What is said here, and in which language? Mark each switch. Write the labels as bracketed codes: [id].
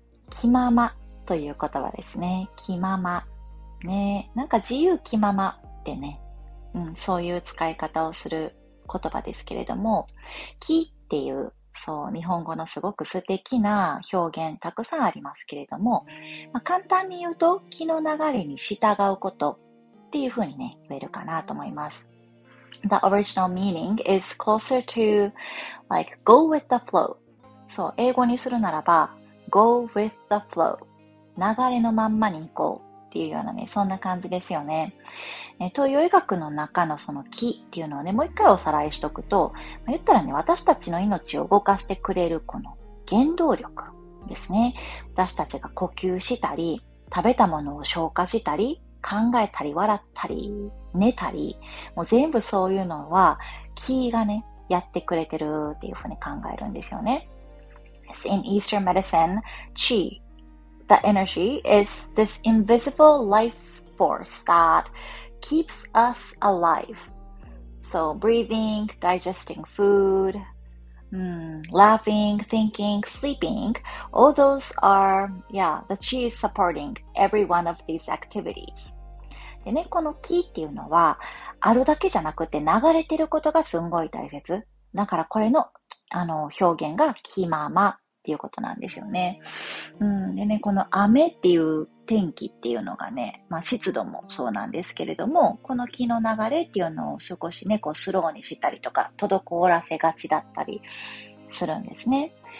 [ja] 気ままという言葉ですね。気まま。ね、なんか自由気ままってね、そういう使い方をする言葉ですけれども、気っていう、そう、日本語のすごく素敵な表現たくさんありますけれども、まあ、簡単に言うと、気の流れに従うことっていうふうにね、言えるかなと思います。 [en] The original meaning is closer to, like, go with the flow. [ja] そう、英語にするならば、 [en] go with the flow. [ja] 流れのまんまに行こうっていうようなね、そんな感じですよね。東洋医学の中のその気っていうのはね、もう一回おさらいしとくと、言ったらね、私たちの命を動かしてくれるこの原動力ですね。私たちが呼吸したり、食べたものを消化したり、考えたり、笑ったり、寝たり、もう全部そういうのは気がね、やってくれてるっていうふうに考えるんですよね。 [en] In Eastern medicine, qi, the energy, is this invisible life force thatKeeps us alive. So, breathing, digesting food, laughing, thinking, sleeping, all those are, the qi is supporting every one of these activities. [ja] でね、この気っていうのは、あるだけじゃなくて流れてることがすんごい大切。だからこれの、表現が気ままっていうことなんですよね。でね、この雨っていう天気っていうのがね、まあ湿度もそうなんですけれども、この気の流れっていうのを少しね、こうスローにしたりとか、滞らせがちだったりするんですね。